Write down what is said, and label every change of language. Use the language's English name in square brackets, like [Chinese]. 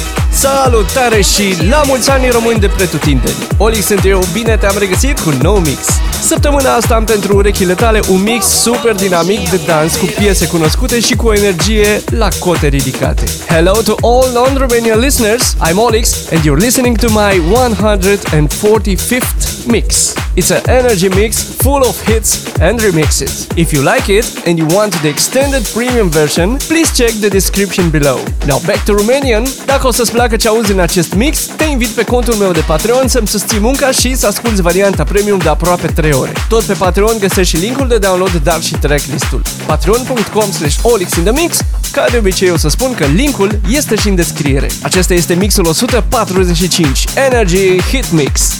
[Romanian] Salutare și la mulți ani români de pretutindeni! OLiX sunt eu, bine te-am regăsit cu nou mix! Săptămâna asta am pentru urechile tale un mix super dinamic de dans cu piese cunoscute și cu energie la cote ridicate. [English] Hello to all non-Romanian listeners, I'm OLiX and you're listening to my 145th mix. It's an energy mix full of hits and remixes. If you like it and you want the extended premium version, please check the description below. Now back to Romanian. [Romanian] Dacă o să-ți placă ce auzi în acest mix, te invit pe contul meu de Patreon să-mi susții munca și să asculti varianta premium de aproape 3 ore. Tot pe Patreon găsești și linkul de download, dar și tracklist-ul. patreon.com/olixinthemix. Ca de obicei o să spun că linkul este și în descriere. Acesta este mixul 145, Energy Hitmix.